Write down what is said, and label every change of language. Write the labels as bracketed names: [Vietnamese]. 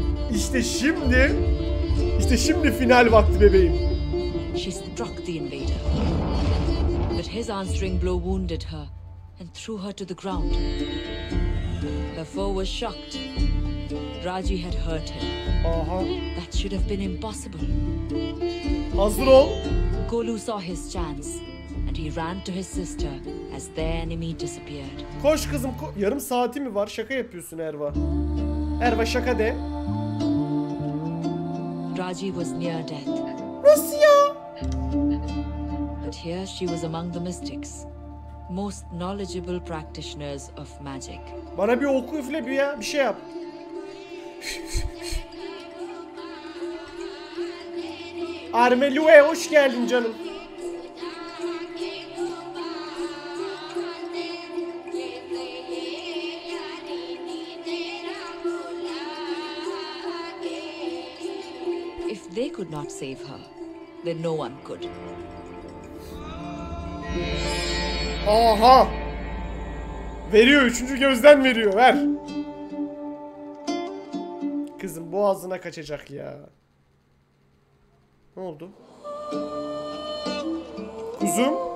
[Turkish] İşte şimdi final vakti bebeğim. [English] She struck the invader. that his answering blow wounded her and threw her to the ground. Her foe was shocked. Raji had hurt him. Aha. That should have been impossible. [Turkish] Hazır ol. [English] Golu saw his chance and he ran to his sister as their enemy disappeared. [Turkish] Koş kızım, yarım saati mi var? Şaka yapıyorsun Erva. Erva şaka de. [English] Raji was near death. [Turkish] Rusya. [English] But here she was among the mystics, most knowledgeable practitioners of magic. [Turkish] Bana bir oku üfle bir ya, bir şey yap. Armelue, hoş geldin canım. [English] If they could not save her, then no one could. Aha! [Turkish] Veriyor, üçüncü gözden veriyor, ver. Kızım boğazına kaçacak ya. Ne oldu? Kuzum.